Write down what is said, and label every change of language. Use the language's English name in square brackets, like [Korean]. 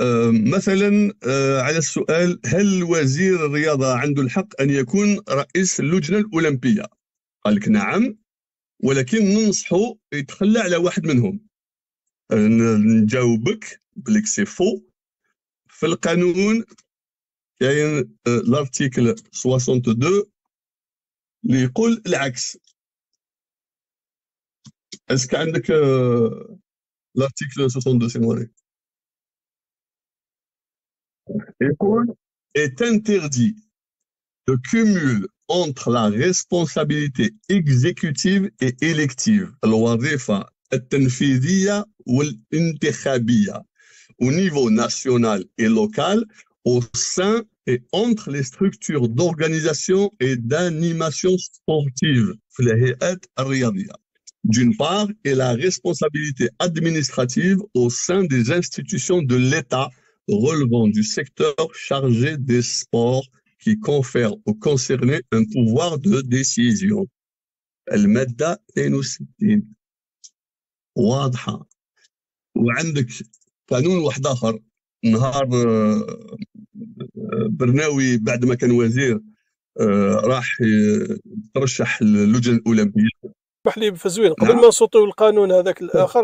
[Arabic] مثلا على السؤال: هل وزير الرياضة عنده الحق أن يكون رئيس اللجنة الأولمبية؟ قال لك نعم، ولكن ننصحه يتخلى على واحد منهم. نجاوبك بلك سيفو، في القانون كاين الارتيكل 62 اللي يقول العكس. اسك عندك الارتيكل 62 سينوري؟ يقول [French] est interdit de cumul entre la responsabilité exécutive et élective, [Arabic] الوظيفة التنفيذية والانتخابية [French] au niveau national et local, au sein et entre les structures d'organisation et d'animation sportive, [Arabic] في الهيئات الرياضية. [French] D'une part, et la responsabilité administrative au sein des institutions de l'État relevant du secteur chargé des sports qui confère aux concernés un pouvoir de décision. [Arabic] المادة 62 واضحة. وعندك قانون واحد آخر، نهار برناوي بعد ما كان وزير راح ترشح اللجنة الأولمبية. اسمح لي بفزوين قبل ما نصوتوا القانون هذاك الآخر،